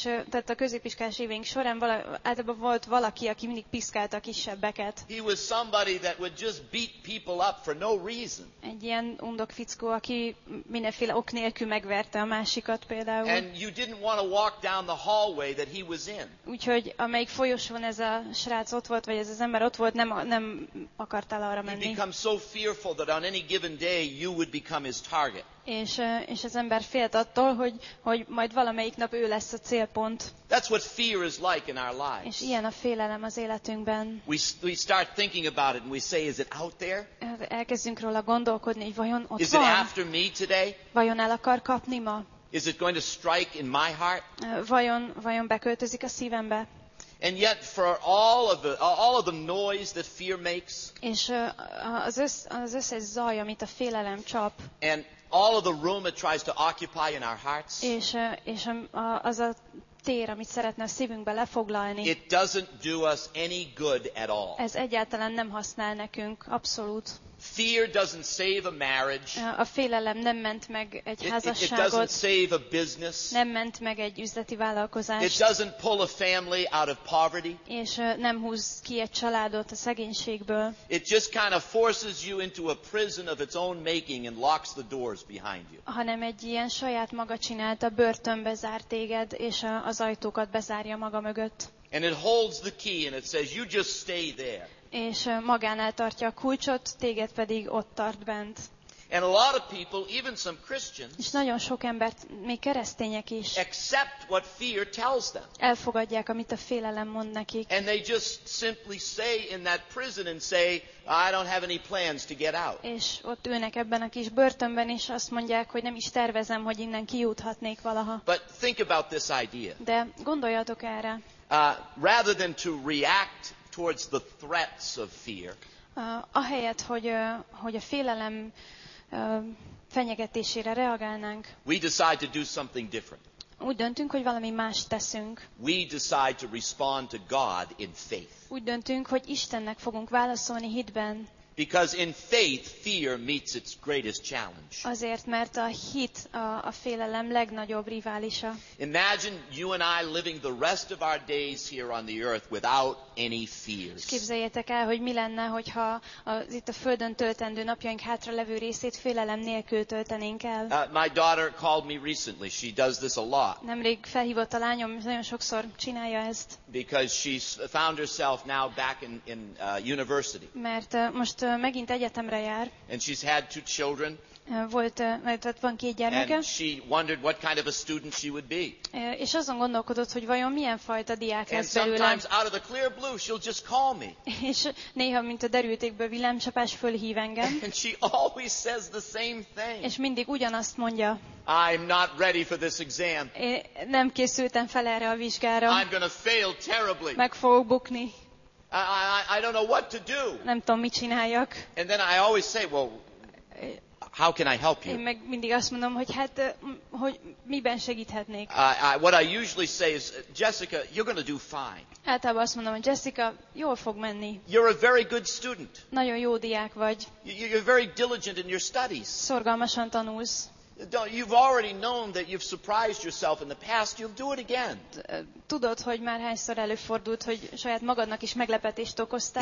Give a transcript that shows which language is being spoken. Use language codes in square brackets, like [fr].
[hu] Tehát a középiskolás éveink során általában volt valaki, aki mindig piszkált a kisebbeket. [en] He was somebody that would just beat people up for no reason. [hu] Egy ilyen undok fickó, aki mindenféle ok nélkül megverte a másikat például. [en] And you didn't want to walk down the hallway that he was in. [hu] Úgyhogy amelyik folyosón ez a srác ott volt, vagy ez az ember ott volt, nem akartál arra menni. [en] He became so fearful that on any given day you would become his target. [hu] És az ember félt attól, hogy majd valami valamelyik nap ő lesz a célpont. [en] That's what fear is like in our lives. [hu] És ilyen a félelem az életünkben. [en] We start thinking about it and we say, is it out there? [hu] Elkezdünk róla gondolkodni, hogy vajon ott is van? [en] Is it after me today? [hu] Vajon el akar kapni ma? [en] Is it going to strike in my heart? [hu] Vajon beköltözik a szívembe? [en] And yet for all of the noise that fear makes. [hu] És az zaj, amit a félelem csap. [en] And all of the room it tries to occupy in our hearts. [hu] És az a tér, amit szeretne a szívünkbe lefoglalni. [en] It doesn't do us any good at all. [hu] Ez egyáltalán nem használ nekünk, abszolút. [en] Fear doesn't save a marriage. [hu] A félelem nem ment meg egy házasságot. [en] It doesn't save a business. [hu] Nem ment meg egy üzleti vállalkozást. [en] It doesn't pull a family out of poverty. [hu] És nem húz ki egy családot a szegénységből. [en] It just kind of forces you into a prison of its own making and locks the doors behind you. [hu] Hanem egy ilyen saját maga csinálta börtönbe zár téged, és az ajtókat bezárja maga mögött. [en] And it holds the key and it says you just stay there. [hu] És magánál tartja a kulcsot, téged pedig ott tart bent. [en] And a lot of people, even some Christians, [hu] és nagyon sok embert, még keresztények is, [en] accept what fear tells them. [hu] Elfogadják, amit a félelem mond nekik. [en] And they just simply say in that prison and say, I don't have any plans to get out. [hu] És ott ülnek ebben a kis börtönben, és azt mondják, hogy nem is tervezem, hogy innen kijuthatnék valaha. [en] But think about this idea. [hu] De gondoljatok erre. [en] Rather than to react towards the threats of fear. [hu] Ahelyett, hogy a félelem fenyegetésére reagálnánk. [en] We decide to do something different. [hu] Úgy döntünk, hogy valami más teszünk. [en] We decide to respond to God in faith. [hu] Úgy döntünk, hogy Istennek fogunk válaszolni hitben. [en] Because in faith fear meets its greatest challenge. [hu] Azért, mert a hit a félelem legnagyobb riválisa. [en] Imagine you and I living the rest of our days here on the earth without any fears. [hu] Képzeljétek el, hogy mi lenne, hogyha az itt a földön töltendő napjaink hátra levő részét félelem nélkül töltenénk el. [en] My daughter called me recently. She does this a lot. [hu] Nemrég felhívott a lányom, nagyon sokszor csinálja ezt. [en] Because she's found herself now back in university. [hu] Mert most megint egyetemre jár. [en] And she's had two children. [hu] Volt, van két gyermeke. [en] And she wondered what kind of a student she would be. [hu] És azon gondolkodott, hogy vajon milyen fajta diák lesz belőlem. [en] And sometimes out of the clear blue she'll just call me. [hu] És néha, mint a derültékből villámcsapás, fölhív engem. [en] And she always says the same thing. [hu] És mindig ugyanazt mondja. [en] I'm not ready for this exam. [hu] Nem készültem fel erre a vizsgára. [en] I'm gonna fail terribly. [hu] Meg fogok bukni. [en] I don't know what to do. [hu] Nem tudom, mit csináljak. [en] And then I always say, well, how can I help you? [hu] Én meg mindig azt mondom, hogy hát, hogy miben segíthetnék. [en] What I usually say is, Jessica, you're going to do fine. [hu] Általában azt mondom, hogy Jessica, jól fog menni. [en] You're a very good student. [hu] Nagyon jó diák vagy. [en] You're very diligent in your studies. [hu] Szorgalmasan tanulsz. [en] You've already known that you've surprised yourself in the past. You'll do it again. [hu] Tudod, hogy már hányszor előfordult, hogy saját magadnak is meglepetést okoztál.